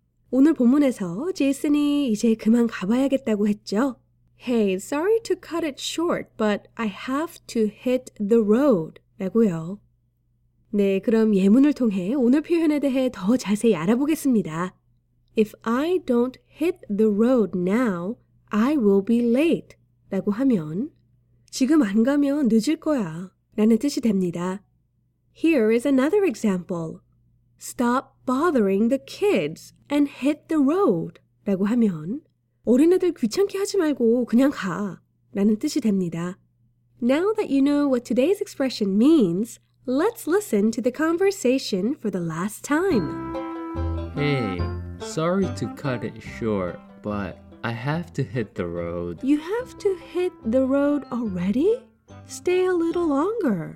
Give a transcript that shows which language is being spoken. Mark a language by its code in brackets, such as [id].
[ko] 오늘 본문에서 제이슨이 이제 그만 가봐야겠다고 했죠? [en] Hey, sorry to cut it short, but I have to hit the road [ko] 라고요. 네, 그럼 예문을 통해 오늘 표현에 대해 더 자세히 알아보겠습니다. [en] If I don't hit the road now, I will be late [ko] 라고 하면 지금 안 가면 늦을 거야 라는 뜻이 됩니다. [en] Here is another example. Stop bothering the kids and hit the road [ko] 라고 하면 어린애들 귀찮게 하지 말고 그냥 가 라는 뜻이 됩니다. [en] Now that you know what today's expression means, let's listen to the conversation for the last time. Hey, sorry to cut it short, but I have to hit the road. You have to hit the road already? Stay a little longer.